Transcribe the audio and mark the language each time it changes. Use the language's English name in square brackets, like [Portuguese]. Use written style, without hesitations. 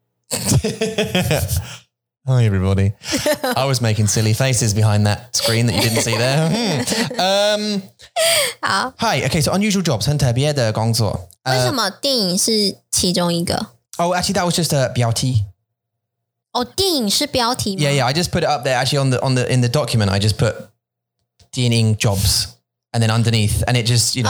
[English] Hi everybody. I was making silly faces behind that screen that you didn't see there. Hi, okay, so unusual jobs, [Chinese] 很特别的工作. 为什么电影是其中一个? [English] Oh, actually that was just a 标题. Oh, [Chinese] 电影是标题吗? [English] Yeah, I just put it up there actually in the document. I just put 电影 jobs and then underneath and it just, you know,